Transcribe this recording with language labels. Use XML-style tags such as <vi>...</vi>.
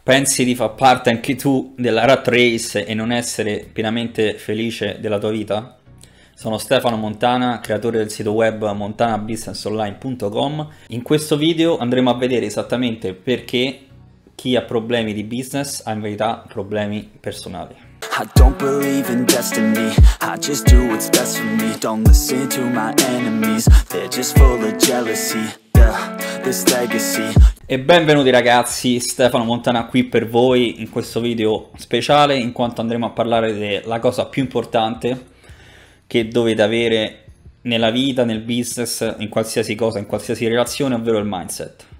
<it>Pensi di far parte anche tu della Rat Race e non essere pienamente felice della tua vita? Sono Stefano Montana, creatore del sito web montanabusinessonline.com. In questo video andremo a vedere esattamente perché chi ha problemi di business ha in verità problemi personali.</it> <en>I don't believe in destiny, I just do what's best for me. Don't listen to my enemies, they're just full of jealousy. This legacy.</en> <it>E benvenuti ragazzi, Stefano Montana qui per voi in questo video speciale in quanto andremo a parlare della cosa più importante che dovete avere nella vita, nel business, in qualsiasi cosa, in qualsiasi relazione, ovvero il mindset.</it>